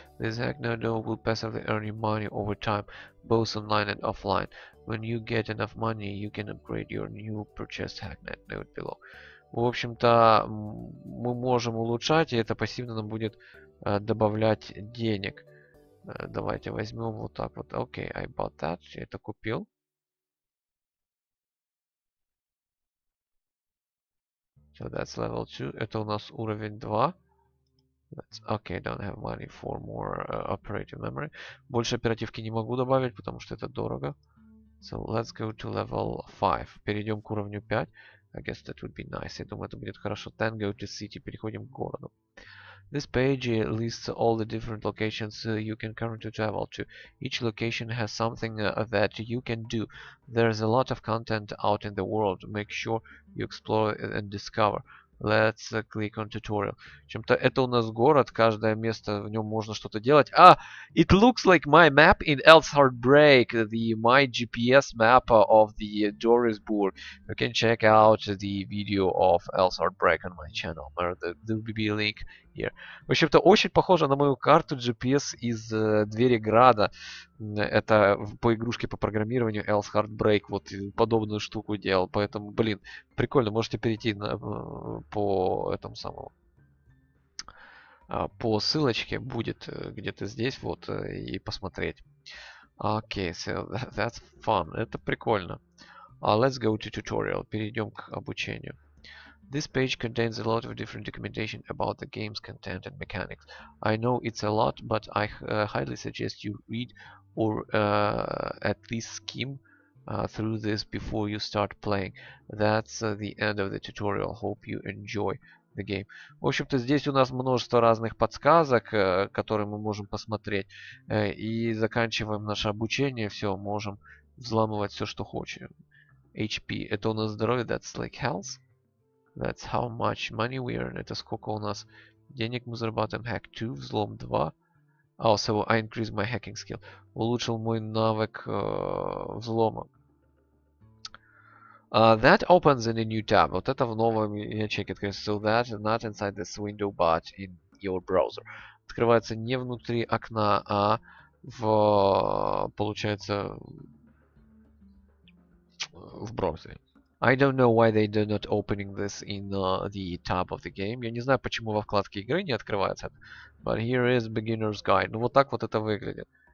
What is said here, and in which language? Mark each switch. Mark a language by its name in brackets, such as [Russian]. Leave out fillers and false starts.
[English] This HackNet node will passively earn you money over time, both online and offline. When you get enough money, you can upgrade your new purchased HackNet node below. [Russian] в общем-то, мы можем улучшать, и это пассивно нам будет добавлять денег. Давайте возьмем вот так вот. [English] Окей, okay, I bought that. [Russian] Я это купил. [English] So that's level 2. [Russian] Это у нас уровень 2. [English] That's okay, don't have money for more operative memory. [Russian] Больше оперативки не могу добавить, потому что это дорого. [English] So let's go to level 5. [Russian] Перейдем к уровню 5. [English] I guess that would be nice. [Russian] Я думаю, это будет хорошо. [English] Then go to city. [Russian] Переходим к городу. [English] This page lists all the different locations you can currently travel to. Each location has something that you can do. There's a lot of content out in the world. Make sure you explore and discover. Let's click on tutorial. [Russian] Чем-то это у нас город, каждое место в нем можно что-то делать. [English] А, it looks like my map in Else Heartbreak, the my GPS map of the Doris-Burg. You can check out the video of Else Heartbreak on my channel. There will be a link here. [Russian] В общем-то, очень похоже на мою карту GPS из двери града. Это по игрушке по программированию Else Heartbreak вот подобную штуку делал. Поэтому, блин, прикольно, можете перейти на, по этому самому. По ссылочке будет где-то здесь, вот, и посмотреть. [English] Окей, okay, so that's fun. [Russian] Это прикольно. [English] Let's go to tutorial. [Russian] Перейдем к обучению. [English] This page contains a lot of different documentation about the game's content and mechanics. I know it's a lot, but I highly suggest you read or at least skim through this before you start playing. That's the end of the tutorial. Hope you enjoy the game. [Russian] В общем-то, здесь у нас множество разных подсказок, которые мы можем посмотреть. И заканчиваем наше обучение. Все, можем взламывать все, что хочем. [English] HP. [Russian] Это у нас здоровье. [English] That's like health. That's how much money we earn. [Russian] Это сколько у нас денег мы зарабатываем. [English] Hack 2. [Russian] Взлом 2. [English] Also, I increased my hacking skill. [Russian] Улучшил мой навык взлома. [English] That opens in a new tab. [Russian] Вот это в новом ячейке. [English] So that is not inside this window, but in your browser. [Russian] Открывается не внутри окна, а в, получается, в браузере. [English] I don't know why they do not opening this in the tab of the game. [Russian] Я не знаю, почему во вкладке игры не открывается. [English] But here is beginner's guide. [Russian] Ну вот так вот это выглядит.